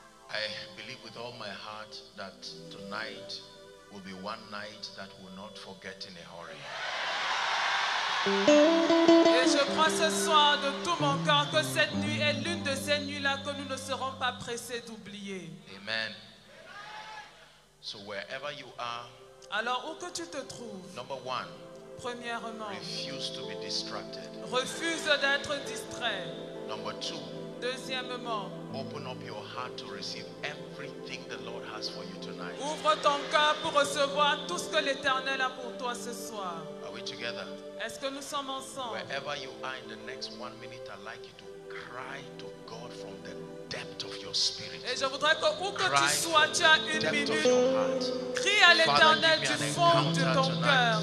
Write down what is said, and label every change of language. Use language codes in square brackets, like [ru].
[en] I believe with all my heart that tonight will be one night that will not forget in a hurry. [fr] Et je crois ce soir de tout mon cœur que cette nuit est l'une de ces nuits-là que nous ne serons pas pressés d'oublier. [en] Amen. So wherever you are, [fr] alors où que tu te trouves, [en] number one, [fr] premièrement, [en] refuse to be distracted. [fr] Refuse d'être distrait. [en] Number two, [fr] deuxièmement, [en] open up your heart to receive everything the Lord has for you tonight. [fr] Ouvre ton cœur pour recevoir tout ce que l'Éternel a pour toi ce soir. [en] Are we together? [fr] Est-ce que nous sommes ensemble? [en] Wherever you are in the next 1 minute, I'd like you to cry to God from the depth of your spirit. [fr] Et je voudrais que où que tu sois, tu as une minute. Crie à l'Éternel du fond de ton cœur.